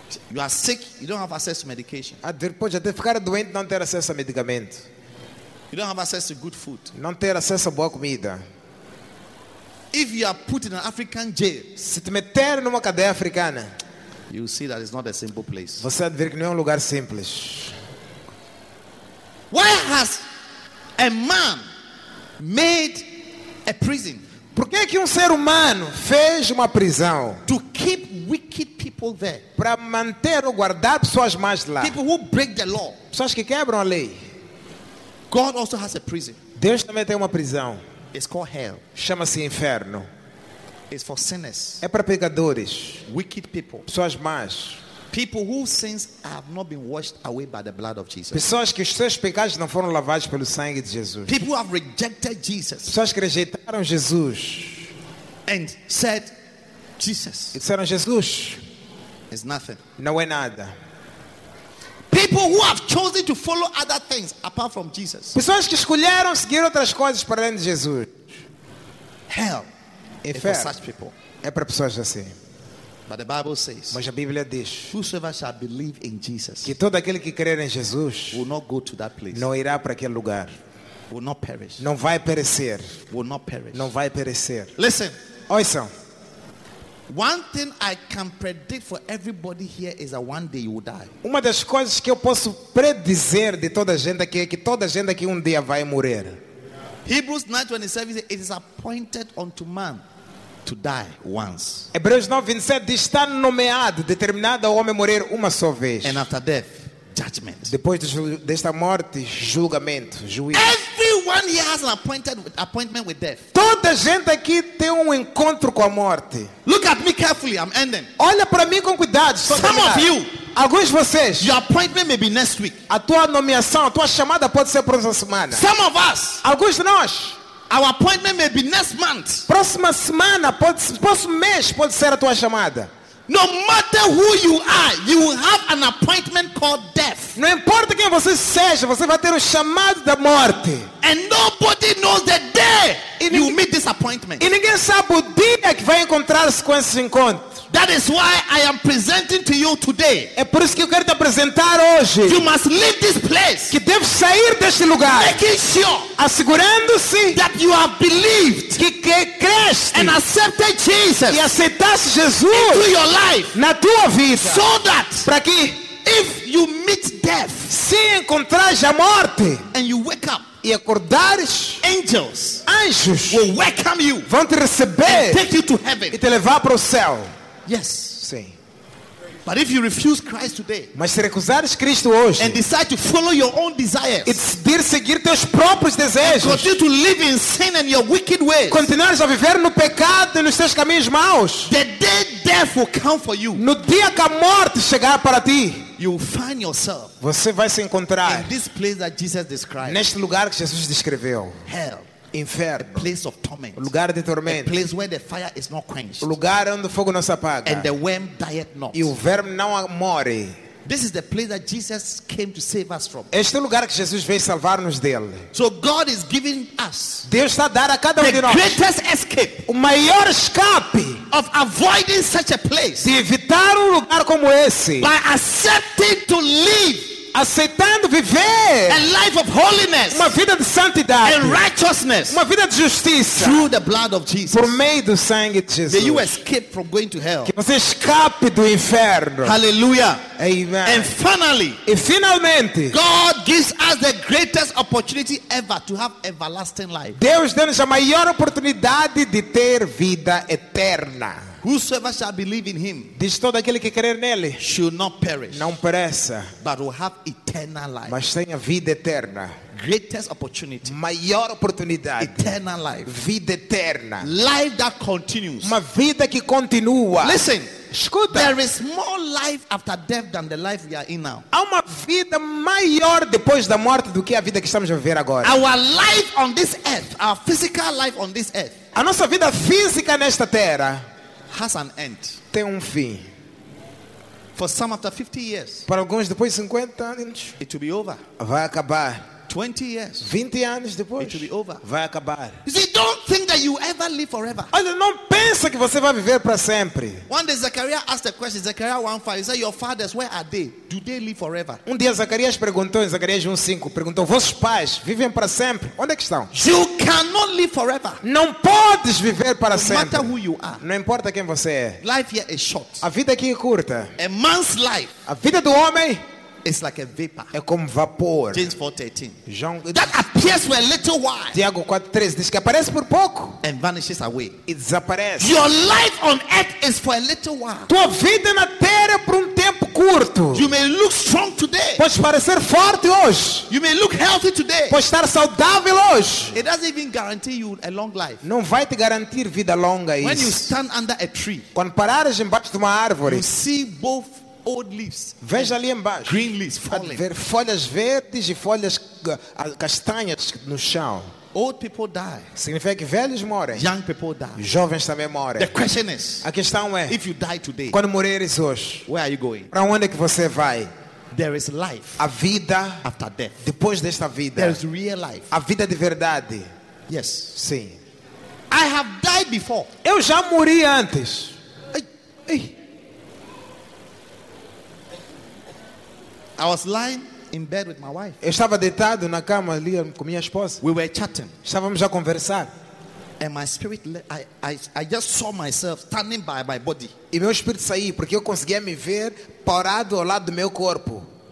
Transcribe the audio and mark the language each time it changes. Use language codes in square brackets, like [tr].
[en] You are sick, you don't have access to medication. [pt] Depois de ficar doente, não ter acesso a medicamento. [en] You don't have access to good food. [pt] Não ter acesso a boa comida. [en] If you are put in an African jail, [pt] se te meter numa cadeia africana, [en] you see that it's not a simple place. [pt] Você vai ver que não é lugar simples. [en] Why has a man made a prison. [pt] Por que que ser humano fez uma prisão? [en] To keep wicked people there. [pt] Para manter ou guardar pessoas más lá. [en] People who break the law. [pt] Pessoas que quebram a lei. [en] God also has a prison. [pt] Deus também tem uma prisão. [en] It's called hell. [pt] Chama-se inferno. [en] It's for sinners. [pt] É para pecadores. [en] Wicked people. [pt] Pessoas más. [en] People whose sins have not been washed away by the blood of Jesus. [pt] Pessoas que os seus pecados não foram lavados pelo sangue de Jesus. [en] People who have rejected Jesus. [pt] Pessoas que rejeitaram Jesus. [en] And said, Jesus. [pt] E disseram Jesus. [en] Is nothing. [pt] Não é nada. [en] People who have chosen to follow other things apart from Jesus. [pt] Pessoas que escolheram seguir outras coisas para além de Jesus. [en] Hell. [pt] Inferno. [en] For such people. [pt] É para pessoas assim. [en] But the Bible says, [pt] mas a Bíblia diz, [en] whosoever shall believe in Jesus, [pt] que todo aquele que crer em Jesus, [en] will not go to that place, [pt] não irá para aquele lugar, [en] will not perish, [pt] não vai perecer, [en] will not perish, [pt] não vai perecer. [en] Listen, [pt] ouçam. [en] One thing I can predict for everybody here is that one day you will die. [pt] Uma das coisas que eu posso predizer de toda a gente aqui é que toda a gente aqui um dia vai morrer. [en] Hebrews 9:27 says, it is appointed unto man to die once. [pt] Hebreus 9:27 diz, está nomeado, determinado ao homem morrer uma só vez. [en] And after death, judgment. [pt] Depois desta morte, julgamento, juízo. [en] Everyone here has an appointment with death. [pt] Toda gente aqui tem encontro com a morte. [en] Look at me carefully, I'm ending. [pt] Olha para mim com cuidado. [en] Some [pt] cuidado. [en] Of you, [pt] alguns de vocês, [en] your appointment may be next week. [pt] A tua nomeação, a tua chamada pode ser próxima semana. [en] Some of us, [pt] alguns de nós, [en] our appointment may be next month. [pt] Próxima semana, próximo mês pode ser a tua chamada. [en] No matter who you are, you will have an appointment called death. [pt] Não importa quem você seja, você vai ter chamado da morte. [en] And nobody knows the day you meet this appointment. [pt] E ninguém sabe o dia que vai encontrar-se com esse encontro. [en] That is why I am presenting to you today. [pt] É por isso que eu quero te apresentar hoje. [en] You must leave this place. [pt] Que deves sair deste lugar. [en] Making sure. [pt] Assegurando-se. [en] That you have believed. [pt] Que creste. [en] And accepted Jesus. [pt] E aceitaste Jesus. [en] Into your life. [pt] Na tua vida. [en] So that. [pt] Para que. [en] If you meet death. [pt] Se encontrares a morte. [en] And you wake up. [pt] E acordares, [en] angels. [pt] Anjos. [en] Will welcome you. [pt] Vão te receber. [en] And take you to heaven. [pt] E te levar para o céu. [en] Yes. [pt] Sim. [en] But if you refuse Christ today, [pt] mas se recusares Cristo hoje, [en] and decide to follow your own desires, [pt] e decidir seguir teus próprios desejos, [en] and continue to live in sin and your wicked ways, [pt] continuares a viver no pecado e nos teus caminhos maus, [en] the day death will come for you. [pt] No dia que a morte chegar para ti, [en] you will find yourself. [pt] Você vai se encontrar [en] in this place that Jesus described. [pt] Neste lugar que Jesus descreveu. [en] Hell. [pt] Inferno. [en] A place of torment. [pt] O lugar de tormento. [en] A place where the fire is not quenched. [pt] O lugar onde o fogo não se apaga. [en] And the worm dieth not. [pt] E o verme não morre. [en] This is the place that Jesus came to save us from. [pt] Este é o lugar que Jesus veio salvar-nos dele. [en] So God is giving us. [pt] Deus está a dar a cada um de nós. [en] The greatest escape. [pt] O maior escape. [en] Of avoiding such a place. [pt] De evitar lugar como esse. [en] By accepting to live. [pt] Aceitando viver [en] a life of holiness, [pt] uma vida de santidade [en] and righteousness, [pt] uma vida de justiça [en] through the blood of Jesus, [pt] por meio do sangue de Jesus. [en] May you escape from going to hell. [pt] Que você escape do inferno. Hallelujah. Amen. [en] And finally, [pt] e finalmente, [en] God gives us the greatest opportunity ever to have everlasting life. [pt] Deus deu-nos a maior oportunidade de ter vida eterna. [en] Whosoever shall believe in him, [pt] diz todo aquele que crer nele, [en] should not perish, [pt] não pereça, [en] but will have eternal life, [pt] mas tenha vida eterna. [en] Greatest opportunity, [pt] maior oportunidade, [en] eternal life, [pt] vida eterna, [en] life that continues, [pt] uma vida que continua. [en] Listen, [pt] escuta, [en] there is more life after death than the life we are in now. [pt] Há uma vida maior depois da morte do que a vida que estamos a viver agora. [en] Our life on this earth, our physical life on this earth, [pt] a nossa vida física nesta terra. [en] Has an end. [pt] Tem fim. [en] For some after 50 years. [pt] Para alguns depois de 50 anos. [en] It will be over. [pt] Vai acabar. [en] 20 years. [pt] 20 anos depois. [en] It will be over. [pt] Vai acabar. [en] You see, don't think that you ever live forever. [pt] Olha, não pensa que você vai viver para sempre. [en] One day Zechariah asked a question. Zechariah 1:5. He said, your fathers, where are they? Do they live forever? [pt] Um dia Zacarias perguntou, em Zacarias 1:5, perguntou, vossos pais vivem para sempre? Onde é que estão? [en] You cannot live forever. [pt] Não podes viver para no sempre. [en] No matter who you are. [pt] Não importa quem você é. [en] Life here is short. [pt] A vida aqui é curta. [en] A man's life. [pt] A vida do homem [en] It's like a vapor. [pt] É como vapor. [en] James 4:13. That appears for a little while. [pt] Tiago 4:13 diz que aparece por pouco. [en] And vanishes away. [pt] E desaparece. [en] Your life on earth is for a little while. [pt] Tua vida na terra é por tempo curto. [en] You may look strong today. [pt] Pode parecer forte hoje. [en] You may look healthy today. [pt] Pode estar saudável hoje. [en] It doesn't even guarantee you a long life. [pt] Não vai te garantir vida longa isso. [en] When you stand under a tree. [pt] Quando parares embaixo de uma árvore. [en] You see both old leaves. [pt] Veja ali embaixo. [en] Green leaves falling. [pt] Ver folhas verdes e folhas castanhas no chão. [en] Old people die. [pt] Significa que velhos morrem. [en] Young people die. [pt] Jovens também morrem. [en] The question is, [pt] a questão é, [en] if you die today, [pt] quando morreres hoje, [en] where are you going? [pt] Para onde é que você vai? [en] There is life. [pt] A vida [en] after death. [pt] Depois desta vida. [en] There is real life. [pt] A vida de verdade. [en] Yes. [pt] Sim. [en] I have died before. [pt] Eu já morri antes. Ei. [en] I was lying in bed with my wife. [pt] Eu estava deitado na cama ali com minha esposa. [en] We were chatting. [pt] Estávamos a conversar. [en] And my spirit, I just saw myself standing by my body. [pt] E meu espírito saiu porque eu conseguia me ver parado ao lado do meu corpo.